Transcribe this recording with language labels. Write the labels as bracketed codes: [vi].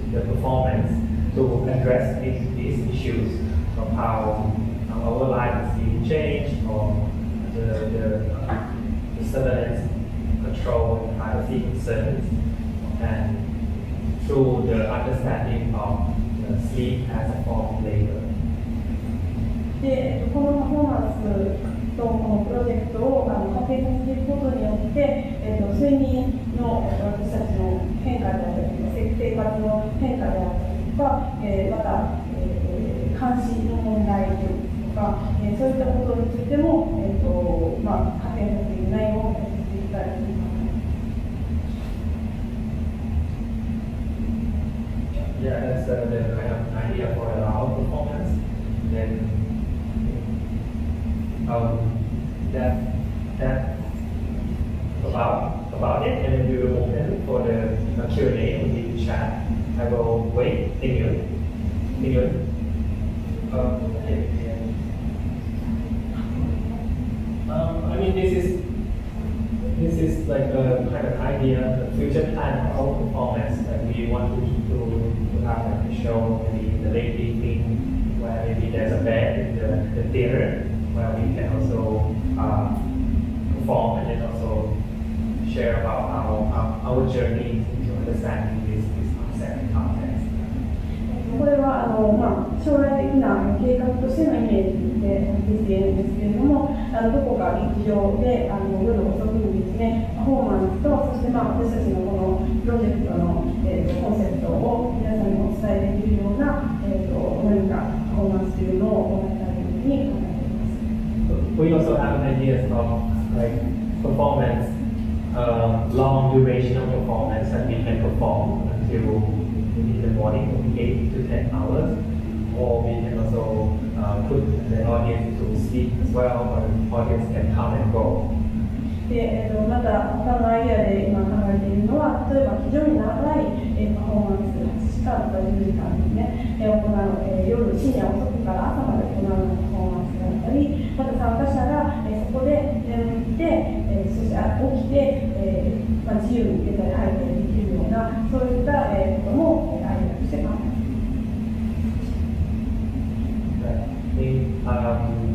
[en] the performance to address these issues from how our life is being changed or the surveillance control and privacy concerns. And through the understanding of the sleep as a form of labor. [ja] このパフォーマンスとこのプロジェクトを掛け合わせていくことによって、睡眠の私たちの変化であったり、生活の変化であったりとか、また、監視の問題とか、そういったことについても、まあ、掛け合わせていく内容を見せていきたいと思います。 [en] Yeah, that's the kind of idea for our performance. Then, that about it, and then we will open for the Q&A in the chat. I will wait. Thank you. Thank you. I mean, this is like a kind of idea, a future plan of our performance that we want to do. Have a show maybe in the late evening where maybe there's a band in the theater where we can also perform and then also share about our journey into understanding this concept and context. [ja] これはあの、まあ、将来的な計画としてのイメージで見せているんですけれども、あのどこか日常で夜遅くにですね、パフォーマンスと、そして、まあ、私たちのこのプロジェクトの、コンセプトを皆さんにお伝えできるような、何かパフォーマンスというのを行いたいというふうに考えています。 [en] We also have an idea of like performance, long duration of performance that we can perform until. In the morning, 8 to 10 hours, or we can also put the audience to sleep as well, or the audience can come and go. [ja] また他のアイデアで今考えているのは、例えば非常に長いパフォーマンス、8時間とか10時間ですね、行う夜深夜遅くから朝まで行うパフォーマンスだったり、また参加者がそこで眠って、そして起きて、まあ、自由に出たり入ったりできるような、そういったこともアイデアとしてます。